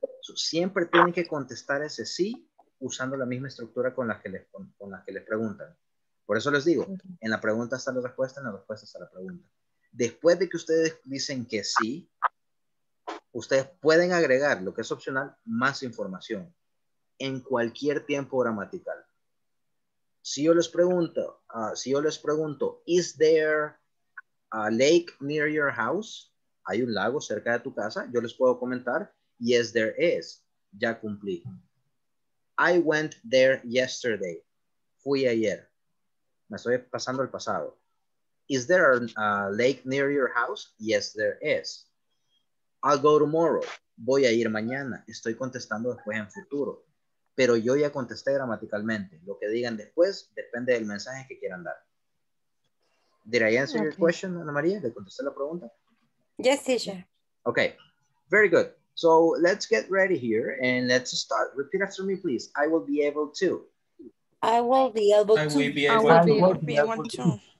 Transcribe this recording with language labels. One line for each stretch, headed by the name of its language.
Spanish: So, siempre tienen que contestar ese sí usando la misma estructura con la que les preguntan. Por eso les digo, en la pregunta está la respuesta, en la respuesta está la pregunta. Después de que ustedes dicen que sí, ustedes pueden agregar, lo que es opcional, más información en cualquier tiempo gramatical. Si yo les pregunto,
English: is there a lake near your house?
Spanish: ¿Hay un lago cerca de tu casa? Yo les puedo comentar,
English: yes, there is.
Spanish: Ya cumplí.
English: I went there yesterday.
Spanish: Fui ayer. Me estoy pasando el pasado.
English: Is there a lake near your house? Yes, there is. I'll go tomorrow.
Spanish: Voy a ir mañana. Estoy contestando después en futuro. Pero yo ya contesté gramaticalmente. Lo que digan después depende del mensaje que quieran dar.
English: Did I answer okay. your question, Ana María?
Spanish: ¿Le contesté la pregunta?
English: Yes, teacher. Okay, very good. So let's get ready here and let's start. Repeat after me, please. I will be able to. I will be able to. I will be able to.